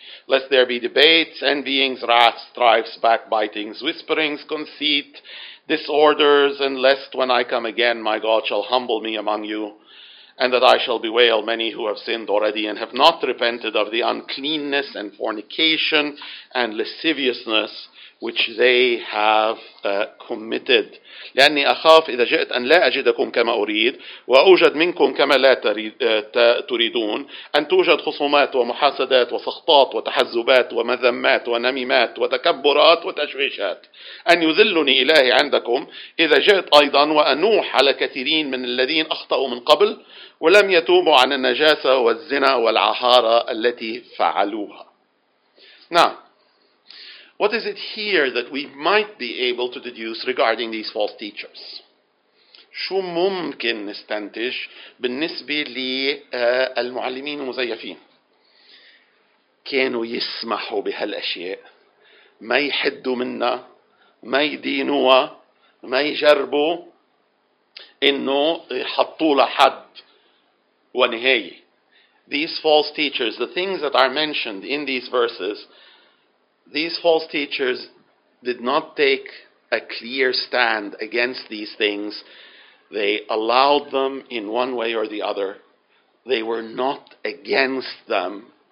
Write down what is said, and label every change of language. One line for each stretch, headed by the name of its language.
English: Lest there be debates, envyings, wrath, strifes, backbitings, whisperings, conceit, disorders, and lest when I come again, my God shall humble me among you. And that I shall bewail many who have sinned already and have not repented of the uncleanness and fornication and lasciviousness which they have committed.
Arabic: لأني أخاف إذا جئت أن لا أجدكم كما أريد وأوجد منكم كما لا تريدون أن توجد خصومات ومحاسدات وسخطات وتحزبات ومذمات ونميمات وتكبرات وتشويشات أن يذلني إلهي عندكم إذا جئت أيضا وأنوح على كثيرين من الذين أخطأوا من قبل ولم يتوبوا عن النجاسة والزنا والعهارة التي فعلوها. نعم.
English: What is it here that we might be able to deduce regarding these false teachers?
Arabic: شو ممكن نستنتج بالنسبة للمعلمين المزيفين؟ كانوا يسمحوا بهالأشياء ما يحدوا منا ما يدينوا ما يجربوا إنه يحطوا لحد ونهاية.
English: These false teachers, the things that are mentioned in these verses, these false teachers did not take a clear stand against these things. They allowed them in one way or the other. They were not against them.